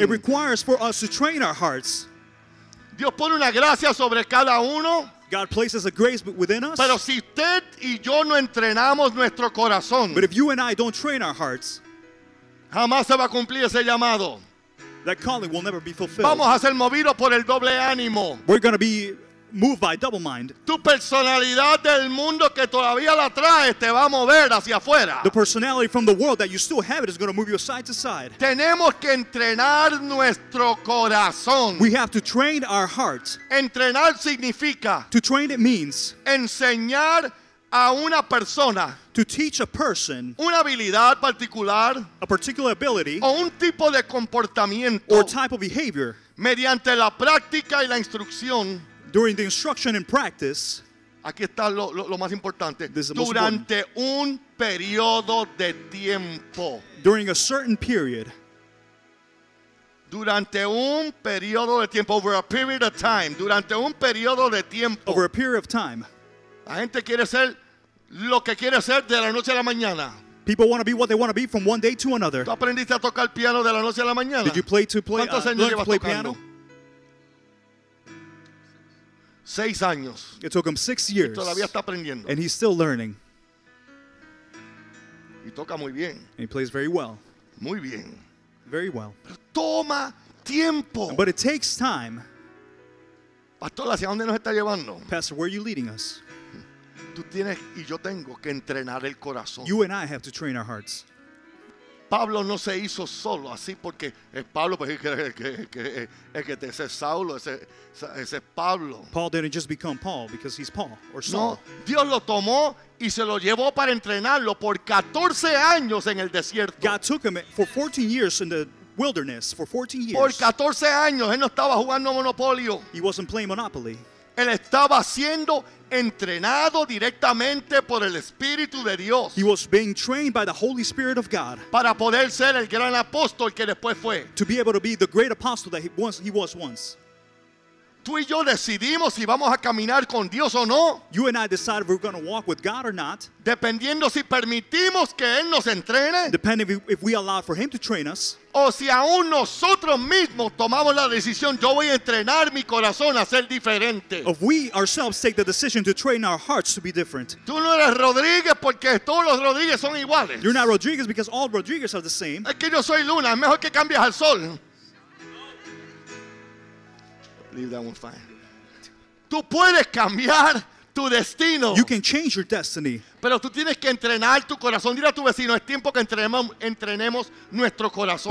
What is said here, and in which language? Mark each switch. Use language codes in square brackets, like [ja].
[en] It requires for us to train our hearts. [es] Dios pone una gracia sobre cada uno. [en] God places a grace within us. [es] Pero si usted y yo no entrenamos nuestro corazón, [en] but if you and I don't train our hearts, [es] jamás se va a cumplir ese llamado. [en] That calling will never be fulfilled. [es] Vamos a ser movidos por el doble ánimo. [en] We're going to be moved by double mind. [es] Tu personalidad del mundo que todavía la traes te va a mover hacia afuera. [en] The personality from the world that you still have it is going to move you side to side. [es] Tenemos que entrenar nuestro corazón. [en] We have to train our hearts. [es] Entrenar significa [en] to train it means [es] enseñar a una persona [en] to teach a person [es] una habilidad particular, [en] a particular ability [es] o un tipo de comportamiento [en] or type of behavior [es] mediante la práctica y la instrucción. [en] During the instruction and practice, [es] aquí está lo más importante. [en] This is the [es] durante [en] most important. [es] Un periodo de tiempo. [en] During a certain period. [es] Durante un periodo de tiempo. [en] Over a period of time. [es] Durante un periodo de tiempo. [en] Over a period of time. [es] La gente quiere ser lo que quiere ser de la noche a la mañana. [en] People want to be what they want to be from one day to another. [es] ¿Tú aprendiste a tocar piano de la noche a la mañana? [en] Did you play to play? [es] ¿Cuántos años llevas tocando? Piano? 6 años. [en] It took him 6 years. [es] Y todavía está aprendiendo. [en] And he's still learning. [es] Y toca muy bien. [en] And he plays very well. [es] Muy bien. [en] Very well. [es] Pero toma tiempo. [en] But it takes time. [es] Pastor, ¿hacia dónde nos está llevando? [en] Pastor, where are you leading us? [es] Tú tienes y yo tengo que entrenar el corazón. [en] You and I have to train our hearts. [es] Pablo no se hizo solo así porque Pablo pues que ese Saulo ese Pablo. [en] Paul didn't just become Paul because he's Paul or Saul. [es] No, Dios lo tomó y se lo llevó para entrenarlo por 14 años en el desierto. [en] God took him for 14 years in the wilderness for 14 years. [es] Por 14 años él no estaba jugando Monopoly. [en] He wasn't playing Monopoly. [es] Él estaba siendo entrenado directamente por el Espíritu de Dios. [en] He was being trained by the Holy Spirit of God. [es] Para poder ser el gran apóstol que después fue. [en] To be able to be the great apostle that he was once. [es] Tú y yo decidimos si vamos a caminar con Dios o no. [en] You and I decide if we're going to walk with God or not. [es] Dependiendo si permitimos que Él nos entrene. [en] Depending if we allow for Him to train us. [es] O si aún nosotros mismos tomamos la decisión, yo voy a entrenar mi corazón a ser diferente. [en] If we ourselves take the decision to train our hearts to be different. [es] Tú no eres Rodríguez porque todos los Rodríguez son iguales. [en] You're not Rodríguez because all Rodríguez are the same. [es] Es que yo soy Luna, mejor que cambies al sol. [en] Leave that one fine. [es] Tú puedes cambiar tu destino. [en] You can change your destiny. [es] Pero tú tienes que entrenar tu corazón. Dile a tu vecino, es tiempo que entrenemos nuestro corazón.